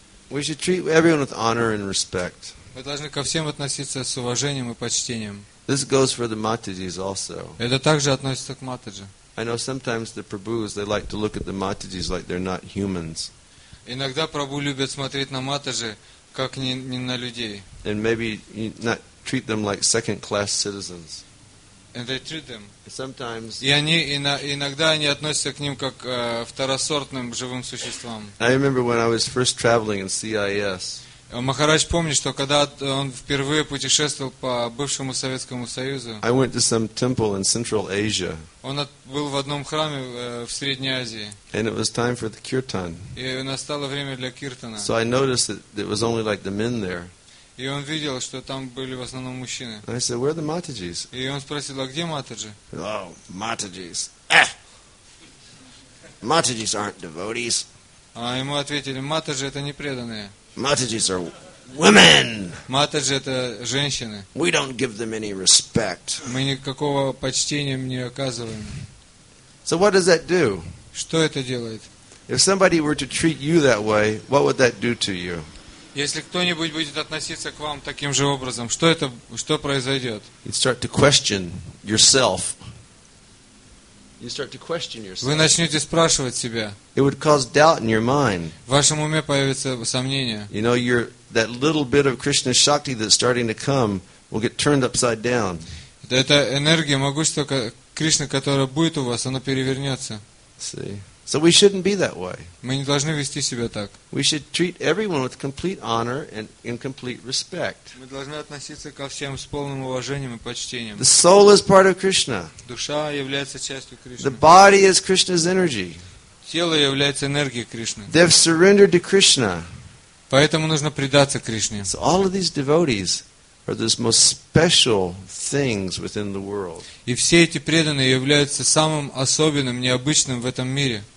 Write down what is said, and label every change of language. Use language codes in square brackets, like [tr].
[en] We should treat everyone with honor and respect. [ru] Мы должны ко всем относиться с уважением и почтением. [en] This goes for the Matajis also. [ru] Это также относится к Матаджи. [en] I know sometimes the Prabhus, they like to look at the Matajis like they're not humans. [ru] Иногда Прабху любят смотреть на Матаджи как не на людей. [en] And maybe not treat them like second-class citizens. And they treat them. Sometimes. [ru] И они иногда они относятся к ним как второсортным живым существам. [en] I remember when I was first traveling in CIS. [ru] Махарадж помнит, что когда он впервые путешествовал по бывшему Советскому Союзу, [en] I went to some temple in Central Asia. [ru] Он был в одном храме в Средней Азии. [en] And it was time for the kirtan. [ru] И настало время для киртана. [en] So I noticed that it was only like the men there. [ru] И он видел, что там были в основном мужчины. [en] I said, where are the Matajis? [ru] И он спросил, а где Матаджи? [en] Oh, Matajis. Matajis aren't devotees. [ru] А ему ответили, Матаджи это не преданные. [en] Matajis are women. [ru] Матаджи это женщины. [en] We don't give them any respect. [ru] Мы никакого почтения им не оказываем. [en] So what does that do? [ru] Что это делает? [en] If somebody were to treat you that way, what would that do to you? [ru] Если кто-нибудь будет относиться к вам таким же образом, что это, что произойдет? [en] You start to question yourself. You start to question yourself. [ru] Вы начнете спрашивать себя. [en] It would cause doubt in your mind. [ru] В вашем уме появится сомнение. [en] You know, your that little bit of Krishna Shakti that's starting to come will get turned upside down. [ru] Эта энергия, могущество Кришны, которая будет у вас, она перевернется. [en] See. So we shouldn't be that way. [ru] Мы не должны вести себя так. [en] We should treat everyone with complete honor and in complete respect. [ru] Мы должны относиться ко всем с полным уважением и почтением. [en] The soul is part of Krishna. [ru] Душа является частью Кришны. [en] The body is Krishna's energy. [ru] Тело является энергией Кришны. [en] They've surrendered to Krishna. [ru] Поэтому нужно предаться Кришне. [en] So all of these devotees are the most special things within the world. [ru] И все эти преданные являются самым особенным, необычным в этом мире.